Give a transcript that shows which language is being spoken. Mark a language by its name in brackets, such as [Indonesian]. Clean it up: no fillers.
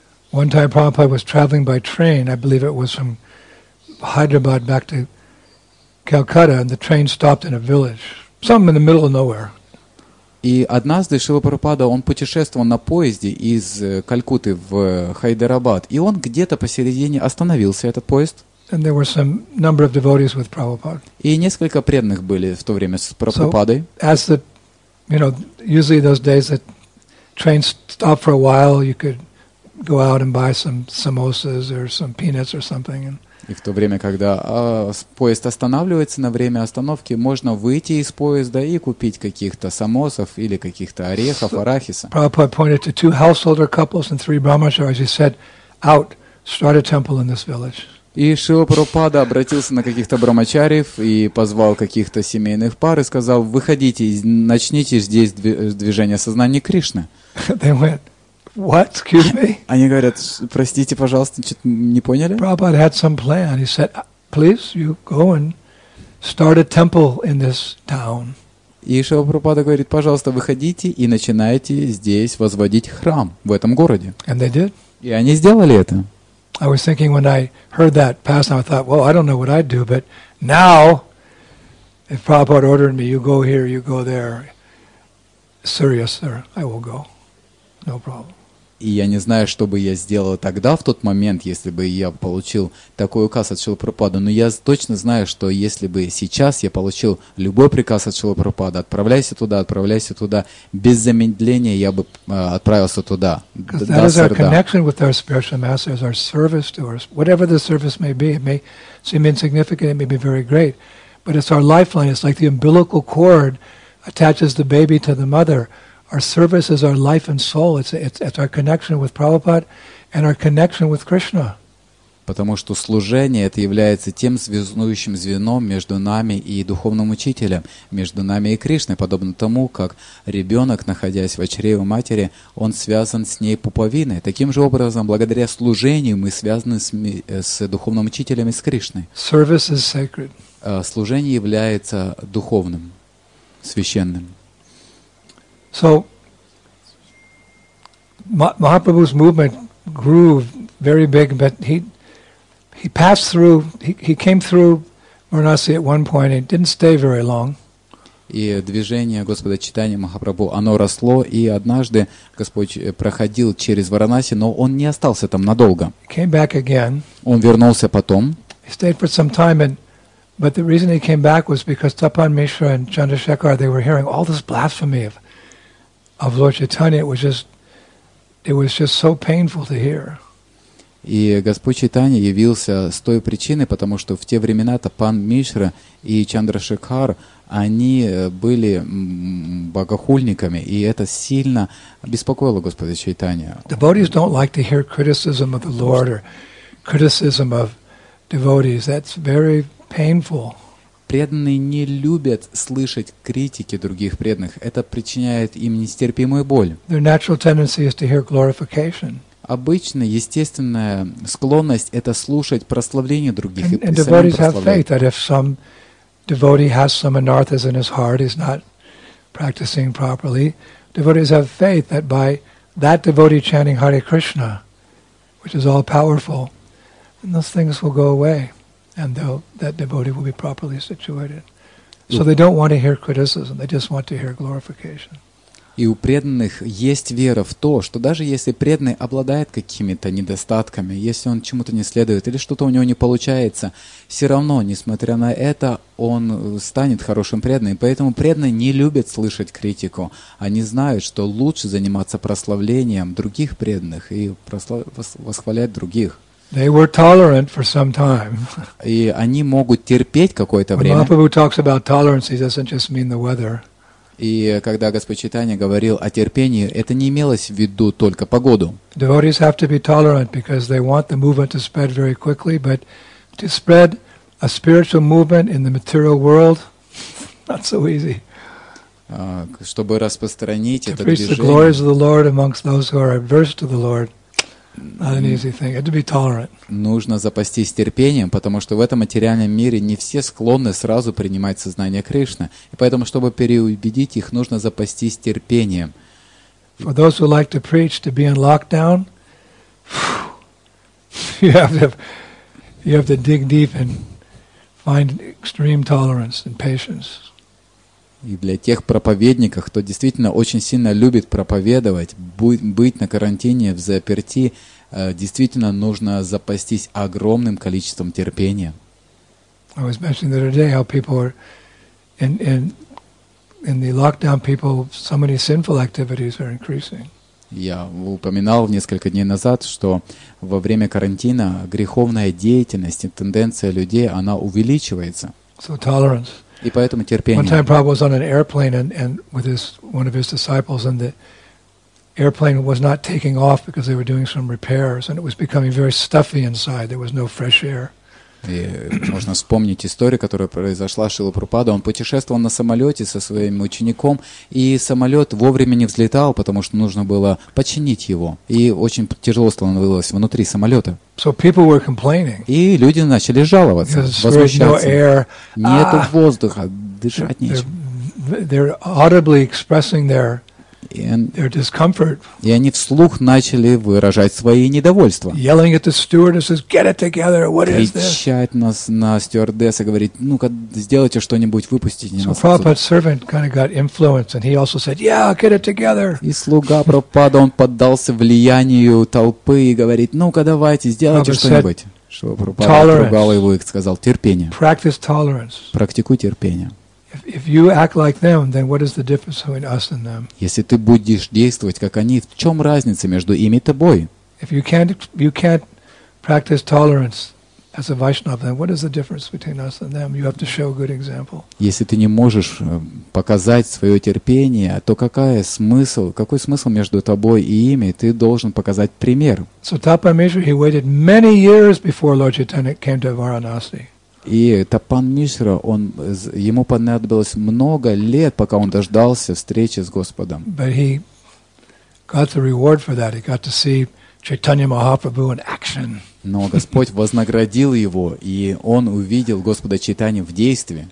[English] One time Prabhupada was traveling by train, I believe it was from Hyderabad back to Calcutta, and the train stopped in a village. Some in the middle of nowhere. [Russian] И однажды Шрила Прабхупада, он путешествовал на поезде из Калькутты в Хайдарабад, и он где-то посередине остановился, этот поезд. [English] And there were some number of devotees with Prabhupada. [Russian] И несколько преданных были в то время с Прабхупадой. [English] So, as the, you know, usually those days that trains stop for a while, you could go out and buy some samosas or some peanuts or something. [Russian] И в то время, когда поезд останавливается на время остановки, можно выйти из поезда и купить каких-то самосов или каких-то орехов, арахиса. [English] Prabhupada pointed to two householder couples and three brahmacharis. He said, out, start a temple in this village. [Russian] И Шрила Прабхупада обратился на каких-то брахмачариев и позвал каких-то семейных пар и сказал, выходите, начните здесь движение сознания Кришны. [English] They went. What? Excuse me? [Russian] Они говорят, простите, пожалуйста, что-то не поняли? [English] Prabhupada had some plan. He said, please, you go and start a temple in this town. [Russian] И Шрила Прабхупада говорит, пожалуйста, выходите и начинайте здесь возводить храм в этом городе. [English] And they did. [Russian] И они сделали это. [English] I was thinking when I heard that passage, I thought, well, I don't know what I'd do, but now, if Prabhupada ordered me, you go here, you go there, serious, sir, I will go. No problem. [Russian] И я не знаю, что бы я сделал тогда, в тот момент, если бы я получил такой указ от Шрилы Прабхупады, но я точно знаю, что если бы сейчас я получил любой приказ от Шрилы Прабхупады, отправляйся туда, без замедления я бы отправился туда. [English] That is our connection with our spiritual masters, our service to us, whatever the service may be, it may seem insignificant, it may be very great, but it's our lifeline, it's like the umbilical cord attaches the baby to the mother. Our service is our life and soul. It's our connection with Prabhupada and our connection with Krishna. [Russian] Потому что служение это является тем связующим звеном между нами и духовным учителем, между нами и Кришной, подобно тому, как ребенок, находясь в чреве матери, он связан с ней пуповиной. Таким же образом, благодаря служению мы связаны с духовным учителем и с Кришной. [English] Service is sacred. [Russian] Служение является духовным, священным. [English] So, Mahaprabhu's movement grew very big, but he he passed through, he came through Varanasi at one point, he didn't stay very long. [Russian] И движение Господа, читание Махапрабху, оно росло, и однажды Господь проходил через Варанаси, но он не остался там надолго. [English] He came back again. [Russian] Он вернулся потом. [English] He stayed for some time, but the reason he came back was because Tapan Mishra and Chandrasekhar, they were hearing all this blasphemy of Lord Chaitanya. It was just so painful to hear. [Russian] И Господь Чайтанья явился с той причиной, потому что в те времена Тапан Мишра и Чандрашекхар, они были богохульниками, и это сильно беспокоило Господа Чайтанья. [English] Devotees don't like to hear criticism of the Lord or criticism of devotees. That's very painful. [Russian] Преданные не любят слышать критики других преданных. Это причиняет им нестерпимую боль. [English] Their natural tendency is to hear glorification. [Russian] Обычно естественная склонность — это слушать прославление других and и самим прославлять. [English] And devotees have faith that if some devotee has some anarthas in his heart, he's not practicing properly. Devotees have faith that by that devotee chanting Hare Krishna, which is all powerful, then those things will go away, and that devotee will be properly situated. So they don't want to hear criticism; they just want to hear glorification. [Russian] И у преданных есть вера в то, что даже если преданный обладает какими-то недостатками, если он чему-то не следует или что-то у него не получается, все равно, несмотря на это, он станет хорошим преданным. Поэтому преданные не любят слышать критику. Они знают, что лучше заниматься прославлением других преданных и восхвалять других. [English] They were tolerant for some time. [Russian] И они могут терпеть какое-то время. [English] When Mahaprabhu talks about tolerance, he doesn't just mean the weather. [Russian] И когда Господь Чайтанья говорил о терпении, это не имелось в виду только погоду. [English] Devotees have to be tolerant because they want the movement to spread very quickly, but to spread a spiritual movement in the material world, not so easy. [Russian] Чтобы распространить это движение. [English] To preach the glories of the Lord amongst those who are adverse to the Lord. Not an easy thing. To be tolerant. [Russian] Нужно запастись терпением, потому что в этом материальном мире не все склонны сразу принимать сознание Кришны. И поэтому, чтобы переубедить их, нужно запастись терпением. [English] For those who like to preach to be in lockdown, you have to dig deep and find extreme tolerance and patience. [Russian] И для тех проповедников, кто действительно очень сильно любит проповедовать, быть на карантине, в заперти, действительно нужно запастись огромным количеством терпения. [English] I was mentioning the other day how people are in the lockdown, people, so many sinful activities are increasing. [Russian] Я упоминал несколько дней назад, что во время карантина греховная деятельность и тенденция людей, она увеличивается. [English] So tolerance. [Russian] И поэтому терпение. [English] One time Prabhupada was on an airplane and with one of his disciples, and the airplane was not taking off because they were doing some repairs, and it was becoming very stuffy inside. There was no fresh air. [Russian] И можно вспомнить историю, которая произошла с Шрилой Прабхупадой. Он путешествовал на самолете со своим учеником, и самолет вовремя не взлетал, потому что нужно было починить его. И очень тяжело становилось внутри самолета. [English] So people were complaining. [Russian] И люди начали жаловаться, возмущаться. [English] No air. [Russian] Нету воздуха, дышать нечем. [English] They're audibly expressing their discomfort. [Russian] И они вслух начали выражать свои недовольства. [English] Yelling at the stewardesses, get it together, what is this? [Russian] Кричать на стюардесса, говорить, ну-ка, сделайте что-нибудь, выпустите нас. [English] So Prabhupada's servant kind of got influenced, and he also said, yeah, get it together. [Russian] И слуга Прабхупада, он поддался влиянию толпы и говорит, ну-ка, давайте, сделайте что-нибудь. Чтобы Прабхупада отругал его и сказал, терпение. [English] Practice tolerance. [Russian] Практикуй терпение. [English] If you act like them, then what is the difference between us and them? [Russian] Если ты будешь действовать как они, в чем разница между ими и тобой? [English] If you can't practice tolerance as a Vaishnava, then what is the difference between us and them? You have to show good example. [Russian] Если ты не можешь показать свое терпение, то какой смысл между тобой и ими? Ты должен показать пример. [English] So Tapan Mishra, he waited many years before Lord Chaitanya came to Varanasi. [Russian] И Тапан Мишра, ему понадобилось много лет, пока он дождался встречи с Господом. [English] But he got the reward for that. He got to see Chaitanya Mahaprabhu in action. [Russian] Но Господь вознаградил его, и он увидел Господа Чайтанью в действии.